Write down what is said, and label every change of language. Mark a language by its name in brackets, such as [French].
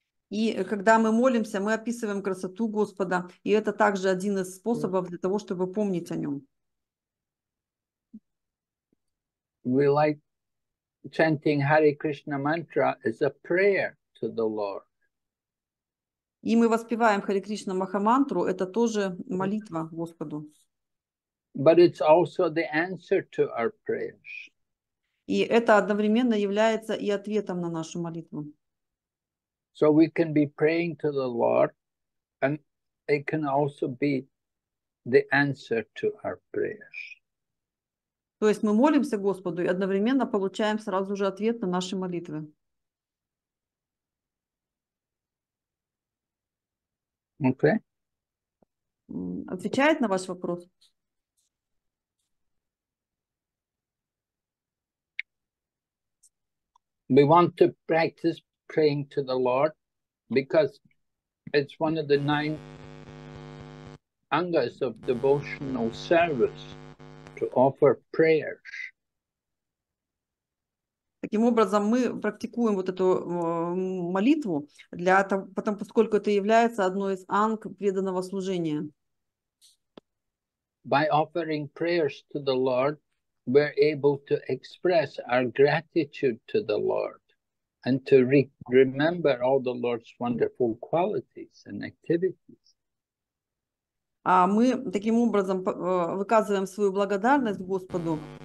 [Russian] И когда мы молимся, мы описываем красоту Господа, и это также один из способов для того, чтобы помнить о нем. [English] We like chanting Hare Krishna mantra as a prayer to the Lord. [Russian] И мы воспеваем Хари Кришна Махамантру, это тоже молитва Господу. [English] But it's also the answer to our prayers. [Russian] И это одновременно является и ответом на нашу молитву. [English] So we can be praying to the Lord, and it can also be the answer to our prayers. [Russian] То есть мы молимся Господу и одновременно получаем сразу же ответ на наши молитвы. [English] Okay. [Russian] Отвечает на ваш вопрос? [English] We want to practice praying to the Lord because it's one of the nine angas of devotional service to offer prayers. [Russian] Таким образом, мы практикуем вот эту молитву для того, потом, поскольку это является одной из анг преданного служения. [English] By offering prayers to the Lord, we're able to express our gratitude to the Lord and to remember all the Lord's wonderful qualities and activities. [Russian] Мы таким образом выказываем свою благодарность Господу.